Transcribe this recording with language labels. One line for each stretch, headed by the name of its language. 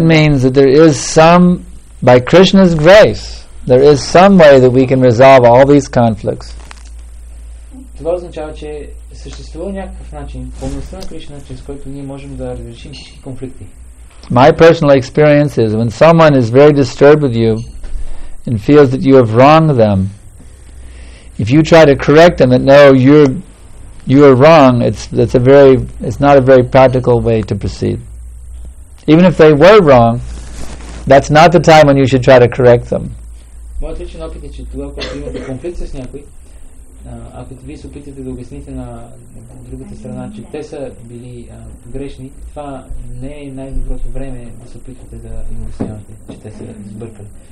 English: means that there is some, by Krishna's grace, there is some way that we can resolve all these conflicts.
Bulgarian: Това означава, че съществува някакъв начин, помощта на Кришна, чрез който ние можем да разрешим всички конфликти.
English: My personal experience is when someone is very disturbed with you and feels that you have wronged them, if you try to correct them that no, you are wrong, it's not a very practical way to proceed. Even if they were wrong, that's not the time when you should try to correct them.
Bulgarian: Моят личен опит е, че това, когато имате конфликт с някой, ако вие се опитате да обясните на другата страна, че те са били грешни, това не е най-доброто време да се опитате да им обяснявате, че те са сбъркали.